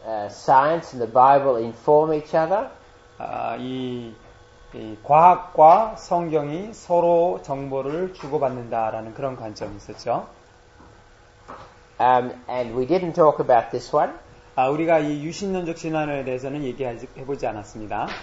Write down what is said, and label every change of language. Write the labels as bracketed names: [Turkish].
[English] Science and the Bible inform each other. [Korean] 이 과학과 성경이 서로 정보를 주고받는다라는 그런 관점이 있었죠. [English] And we didn't talk about this one. [Korean] 우리가 이 유신론적 진화론에 대해서는 해보지 않았습니다.